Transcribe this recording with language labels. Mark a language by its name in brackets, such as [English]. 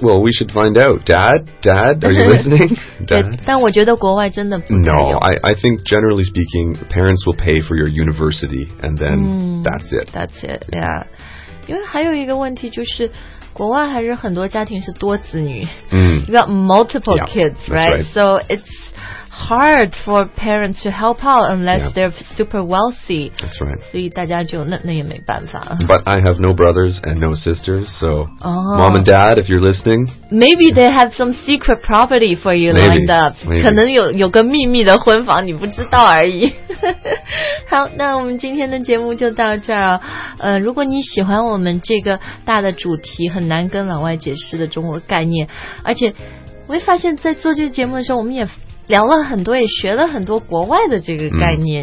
[English] Well, we should find out. Dad, are you listening? Dad? [Chinese] 但我觉得国外真的不太用。 [English] No, I think generally speaking, parents will pay for your university, and then、mm, that's it. That's it, yeah. [Chinese] 因为还有一个问题就是国外还是很多家庭是多子女、 mm. [English] You got multiple yeah, kids, right? right? So it's hard for parents to help out unless、 yeah. they're super wealthy. That's right. [Chinese] 所以大家就那也没办法。 [English] But I have no brothers and no sisters, so、 oh. mom and dad, if you're listening. Maybe they have some secret property for you maybe, lined up. Maybe. [Chinese] 可能有个秘密的婚房你不知道而已。好那我们今天的节目就到这儿、如果你喜欢我们这个大的主题很难跟老外解释的中国概念而且我也发现在做这个节目的时候我们也聊了很多也学了很多国外的这个概念、